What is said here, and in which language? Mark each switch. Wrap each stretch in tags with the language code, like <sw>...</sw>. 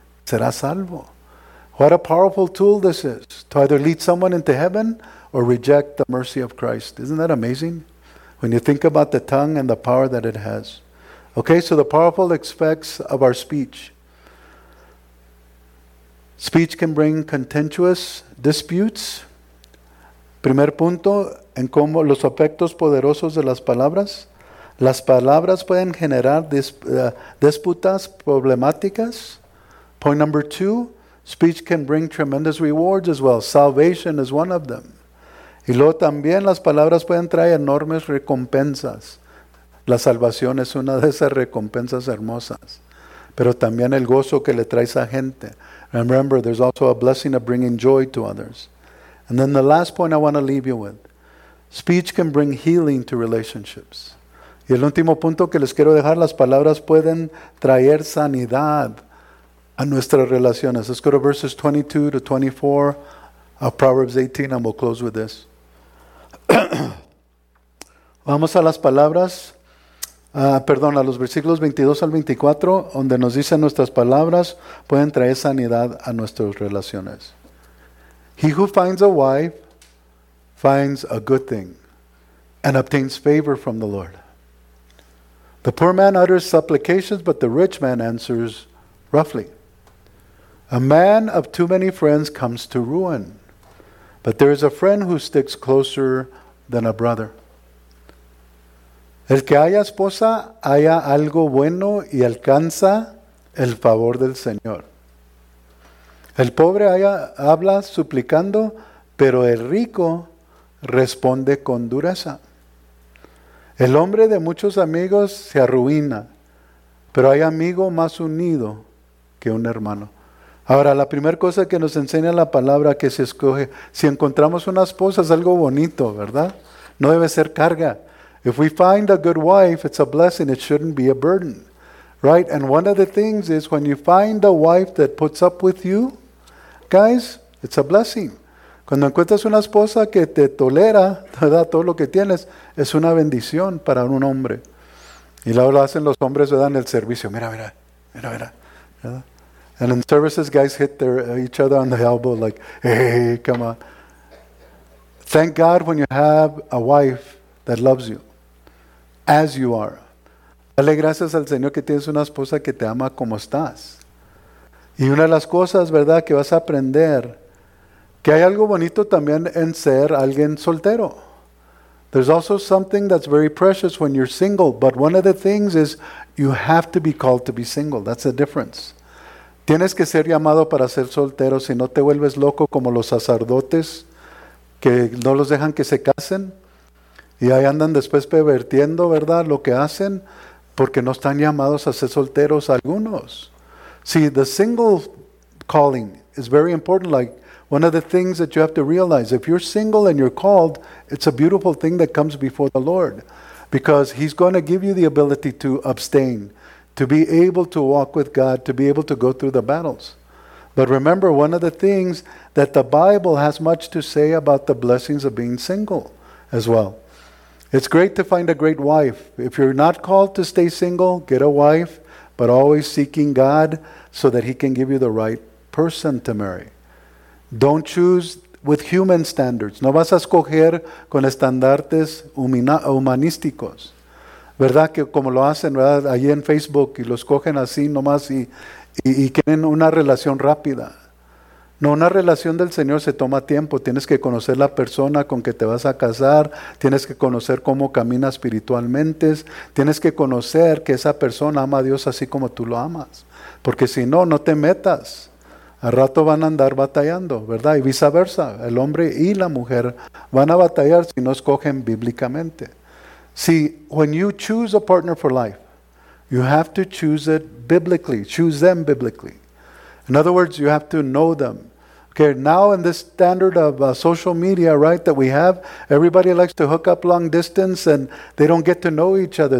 <es>Será salvo.</es> <en>What a powerful tool this is to either lead someone into heaven or reject the mercy of Christ. Isn't that amazing? When you think about the tongue and the power that it has. Okay, so the powerful effects of our speech. Speech can bring contentious disputes.</en> <es>Primer punto, en cómo los efectos poderosos de las palabras. Las palabras pueden generar disputas problemáticas.</es> <en>Point number two, speech can bring tremendous rewards as well. Salvation is one of them.</en> <es>Y luego también las palabras pueden traer enormes recompensas. La salvación es una de esas recompensas hermosas. Pero también el gozo que le trae a gente.</es> <en>Remember, there's also a blessing of bringing joy to others. And then the last point I want to leave you with. Speech can bring healing to relationships.</en> <es>Y el último punto que les quiero dejar, las palabras pueden traer sanidad a nuestras relaciones.</es> <en>Let's go to verses 22 to 24 of Proverbs 18, and we'll close with this.</en> <es>Vamos a las palabras, perdón, a los versículos 22 al 24, donde nos dice nuestras palabras pueden traer sanidad a nuestras relaciones.</es> <en>He who finds a wife finds a good thing and obtains favor from the Lord. The poor man utters supplications, but the rich man answers roughly. A man of too many friends comes to ruin, but there is a friend who sticks closer than a brother.</en> <es>El que haya esposa, haya algo bueno y alcanza el favor del Señor. El pobre habla suplicando, pero el rico responde con dureza. El hombre de muchos amigos se arruina, pero hay amigo más unido que un hermano. Ahora, la primera cosa que nos enseña la palabra que se escoge, si encontramos una esposa es algo bonito, ¿verdad? No debe ser carga.</es> <en>If we find a good wife, it's a blessing, it shouldn't be a burden, right? And one of the things is when you find a wife that puts up with you, guys, it's a blessing.</en> <es>Cuando encuentras una esposa que te tolera, te da todo lo que tienes, es una bendición para un hombre. Y luego lo hacen los hombres, ¿verdad? En el servicio. Mira. ¿Verdad?</es> <en>And in services, guys hit each other on the elbow like, hey, come on. Thank God when you have a wife that loves you. as you are.</en> <es>Dale gracias al Señor que tienes una esposa que te ama como estás. Y una de las cosas, ¿verdad?, que vas a aprender, que hay algo bonito también en ser alguien soltero.</es> <en>There's also something that's very precious when you're single, but one of the things is you have to be called to be single. That's the difference.</en> <es>Tienes que ser llamado para ser soltero, si no te vuelves loco como los sacerdotes que no los dejan que se casen y ahí andan después pervirtiendo, ¿verdad?, lo que hacen porque no están llamados a ser solteros algunos.</es> <en>See, the single calling is very important. Like, one of the things that you have to realize, if you're single and you're called, it's a beautiful thing that comes before the Lord, because He's going to give you the ability to abstain, to be able to walk with God, to be able to go through the battles. But remember, one of the things that the Bible has much to say about the blessings of being single as well. It's great to find a great wife. If you're not called to stay single, get a wife, but always seeking God so that He can give you the right person to marry. Don't choose with human standards.</en> <es>No vas a escoger con estandartes humanísticos. ¿Verdad? Que como lo hacen, ¿verdad?, ahí en Facebook, y lo escogen así nomás y quieren una relación rápida. No, una relación del Señor se toma tiempo. Tienes que conocer la persona con que te vas a casar. Tienes que conocer cómo camina espiritualmente. Tienes que conocer que esa persona ama a Dios así como tú lo amas. Porque si no, no te metas. Al rato van a andar batallando, ¿verdad? Y viceversa, el hombre y la mujer van a batallar si no escogen bíblicamente.</es> <en>See, when you choose a partner for life, you have to choose it biblically, choose them biblically. In other words, you have to know them. Okay, now in this standard of social media, right, that we have, everybody likes to hook up long distance and they don't get to know each other.</en>